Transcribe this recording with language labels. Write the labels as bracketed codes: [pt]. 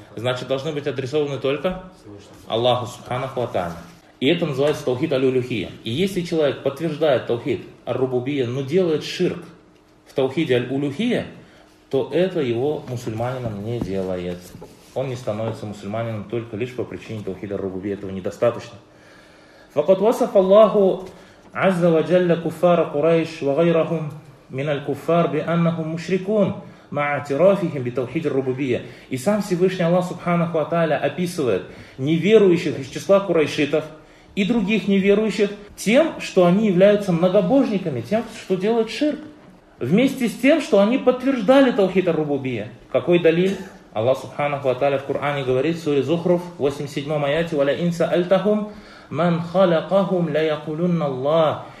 [ru] Значит, должны быть адресованы только Аллаху Субханаху ва Тааля. И это называется таухид аль-улюхия. И если человек подтверждает таухид ар-рубубия, но делает ширк в таухиде аль-улюхия, то это его мусульманином не делает. Он не становится мусульманином только лишь по причине таухида ар-рубубия. Этого недостаточно. [ar] فقد وصف الله عز وجل كفار قريش وغيرهم من الكفار بأنهم مشركون مع اعترافهم بتوحيد الربوبية. [ru] И сам Всевышний Аллах Субханаху ва Тааля описывает неверующих из числа курайшитов и других неверующих тем, что они являются многобожниками, тем, что делают ширк, вместе с тем, что они подтверждали таухид ар-рубубия. Какой далил? Аллах Субханаху ва Тааля в Коране говорит в суре Зухруф 87 аяте: [ar] ولا إن سألتهم من خلقهم ليقولن الله.